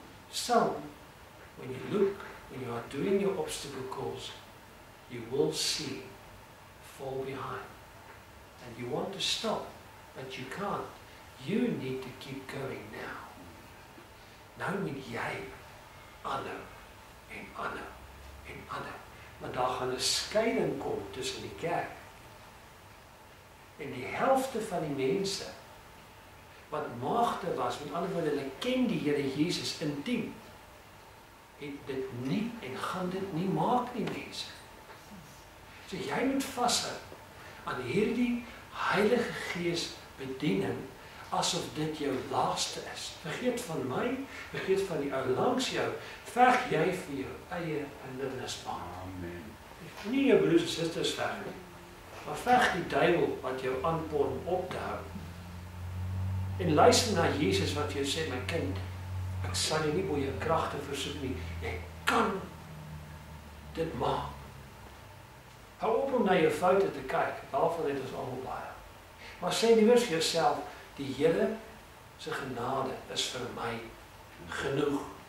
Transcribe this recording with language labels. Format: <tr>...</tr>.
<en>So, when you look, when you are doing your obstacle course, you will see, fall behind, and you want to stop, but you can't, you need to keep going now.</en> <af>Nou moet jy, aanhou, en aanhou, en aanhou, maar daar gaan een scheiding kom tussen die kerk en die helfte van die mense wat maagde was, met ander woord hulle ken die Here Jesus intiem, het dit nie en gaan dit nie maak nie mense. So jy moet vashou aan hierdie Heilige Gees bediening asof dit jou laaste is. Vergeet van my, vergeet van die ou langs jou, veg jy vir jou eie hindernisbaan. Amen. Nie jou broers en sisters veg nie, maar veg die duivel wat jou aanpon op te hou. En luister na Jesus wat jou sê, my kind, ek sal jy nie boe jou kracht te versoek nie, jy kan dit maak. Hou op om na jou foute te kyk, daarvan het ons allemaal baie. Maar sê nie vir jouself, die Heere, sy genade is vir my genoeg.</af>